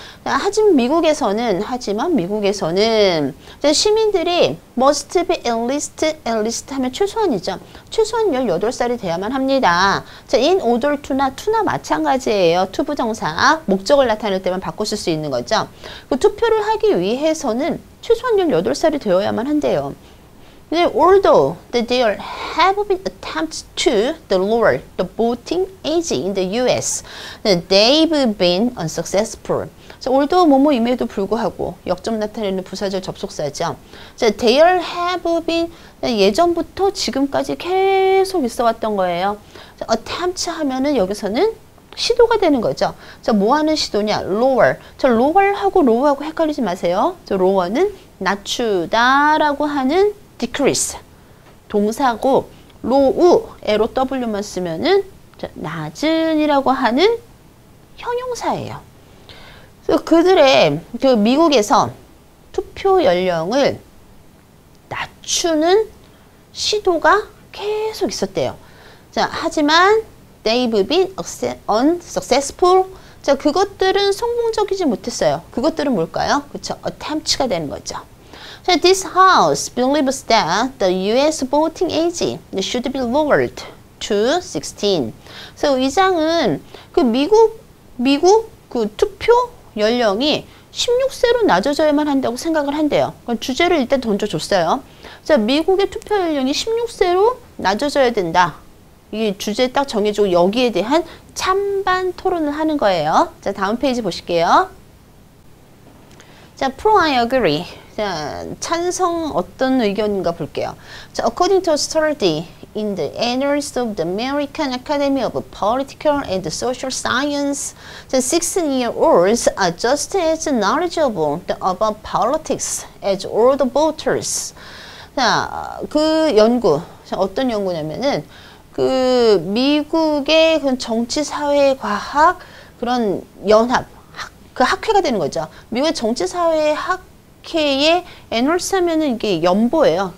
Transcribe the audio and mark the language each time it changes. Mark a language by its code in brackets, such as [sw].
[ko] 자, 하지만 미국에서는 자, 시민들이 [en] must be at least [ko] 하면 최소한이죠. 최소한 18살이 되어야만 합니다. 자, in order to나 마찬가지예요. to 부정사 목적을 나타낼 때만 바꿨을 수 있는 거죠. 그 투표를 하기 위해서는 최소한 18살이 되어야만 한대요. 근데 [en] although that there have been attempts to the lower the voting age in the US, they've been unsuccessful. [ko] So, although 뭐뭐임에도 불구하고 역점 나타내는 부사절 접속사죠. So, [en] there have been [ko] 예전부터 지금까지 계속 있어왔던 거예요. So, attempt 하면은 여기서는 시도가 되는 거죠. So, 뭐하는 시도냐? lower. So, lower하고 low하고 헷갈리지 마세요. So, lower는 낮추다라고 하는 decrease 동사고 low, L-O-W만 쓰면은 낮은이라고 하는 형용사예요. 그들의 그 미국에서 투표 연령을 낮추는 시도가 계속 있었대요. [en] 자, 하지만 they've been unsuccessful. [ko] 자, 그것들은 성공적이지 못했어요. 그것들은 뭘까요? 그렇죠. attempt가 되는 거죠. [en] 자, this house believes that the US voting age should be lowered to 16. [ko] So 이 장은 그 미국 그 투표 연령이 16세로 낮아져야만 한다고 생각을 한대요. 주제를 일단 던져줬어요. 자, 미국의 투표 연령이 16세로 낮아져야 된다. 이게 주제 딱 정해주고 여기에 대한 찬반 토론을 하는 거예요. 자, 다음 페이지 보실게요. [en] 자, pro I agree. [ko] 자, 찬성 어떤 의견인가 볼게요. [en] 자, according to a study in the Annals of the American Academy of Political and Social Science, the 16-year-olds are just as knowledgeable about politics as older voters. [ko] 자, 그 연구, 어떤 연구냐면은 그 미국의 그 정치 사회 과학 그런 연합 그 학회가 되는 거죠. 미국의 정치 사회 학회의 Annals 하면은 이게 연보예요.